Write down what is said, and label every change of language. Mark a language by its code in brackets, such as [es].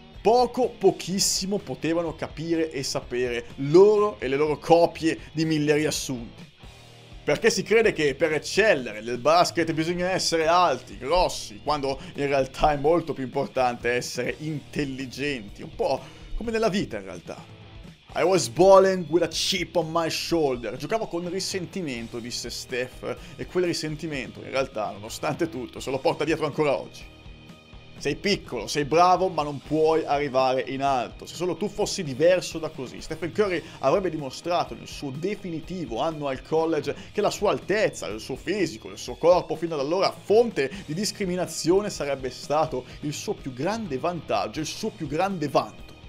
[it] Poco, pochissimo potevano capire e sapere loro e le loro copie di mille riassunti. Perché si crede che per eccellere nel basket bisogna essere alti, grossi, quando in realtà è molto più importante essere intelligenti, un po' come nella vita in realtà. [en] I was balling with a chip on my shoulder. [it] Giocavo con risentimento, disse Steph, e quel risentimento, in realtà, nonostante tutto, se lo porta dietro ancora oggi. Sei piccolo, sei bravo, ma non puoi arrivare in alto. Se solo tu fossi diverso da così, Stephen Curry avrebbe dimostrato nel suo definitivo anno al college che la sua altezza, il suo fisico, il suo corpo fino ad allora fonte di discriminazione sarebbe stato il suo più grande vantaggio, il suo più grande vanto.